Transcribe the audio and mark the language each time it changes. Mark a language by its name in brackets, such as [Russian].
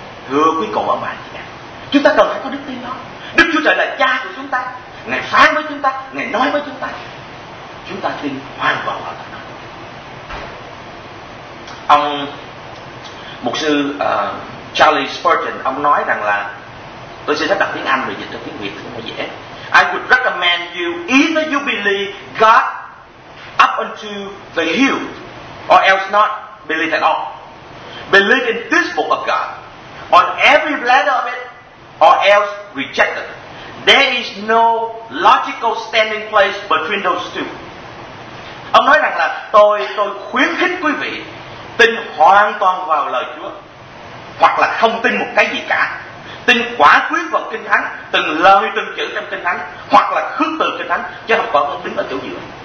[Vietnamese] Thưa quý cậu ở bạn, chúng ta cần phải có đức tin đó. Đức Chúa Trời là cha của chúng ta, Ngài phán với chúng ta, Ngài nói với chúng ta, chúng ta tin hoàn toàn vào lời nói. Ông mục sư Charlie Spurgeon, ông nói rằng là, tôi sẽ sắp đặt tiếng Anh rồi dịch cho tiếng Việt thì nó dễ. [English] I would recommend you either you believe God up unto the hill or else not believe at all. Believe in this book of God on every letter of it or else reject it. There is no logical standing place between those two. [Vietnamese] Ông nói rằng là tôi khuyến khích quý vị tin hoàn toàn vào lời Chúa, hoặc là không tin một cái gì cả. Tin quả quyết vào Kinh Thánh, từng lời từng chữ trong Kinh Thánh, hoặc là khước từ Kinh Thánh, chứ không có đứng ở chỗ giữa.